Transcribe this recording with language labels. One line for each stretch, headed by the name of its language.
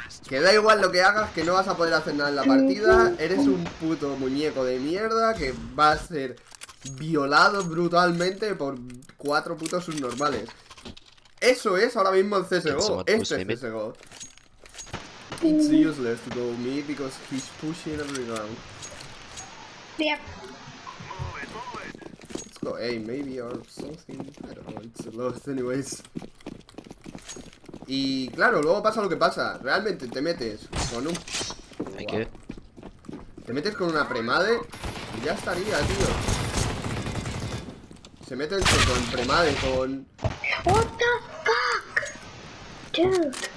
Spanish: Que da igual lo que hagas, que no vas a poder hacer nada en la partida. Eres un puto muñeco de mierda que va a ser violado brutalmente por cuatro putos subnormales. Eso es ahora mismo el CSGO. Este es CSGO.
English: It's useless to go me because he's pushing every round. Yep. Let's go A maybe or something. I don't know, it's a lot anyways.
Spanish: Y claro, luego pasa lo que pasa. Realmente te metes con un...
English: Thank you.
Spanish: Te metes con una premade y ya estaría, tío. Se meten con premade, con...
English: What the fuck? Dude.